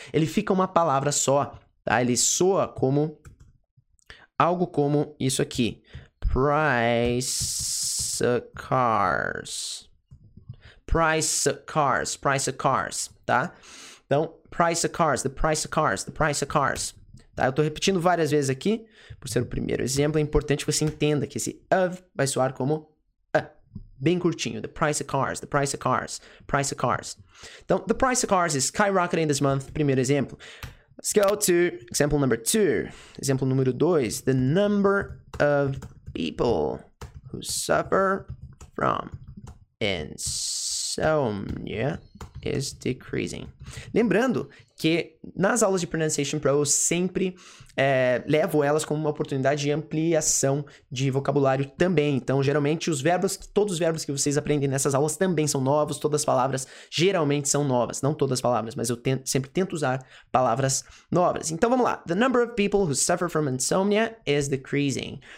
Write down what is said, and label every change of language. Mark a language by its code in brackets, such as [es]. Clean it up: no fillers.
[pt] Ele fica uma palavra só. Tá? Ele soa como algo como isso aqui. [en] Price of cars. Price of cars, price of cars, tá? Então, price of cars, the price of cars, the price of cars. [pt] Tá? Eu tô repetindo várias vezes aqui, por ser o primeiro exemplo, é importante que você entenda que esse of vai soar como a, bem curtinho. [en] The price of cars, the price of cars, price of cars. Então, the price of cars is skyrocketing this month, [pt] primeiro exemplo. [en] Let's go to example number two. [pt] Exemplo número dois, [en] the number of people who suffer from insomnia is decreasing. [pt] Lembrando que nas aulas de Pronunciation Pro eu sempre levo elas como uma oportunidade de ampliação de vocabulário também. Então, geralmente, todos os verbos que vocês aprendem nessas aulas também são novos. Todas as palavras geralmente são novas. Não todas as palavras, mas eu sempre tento usar palavras novas. Então, vamos lá. [en] The number of people who suffer from insomnia is decreasing.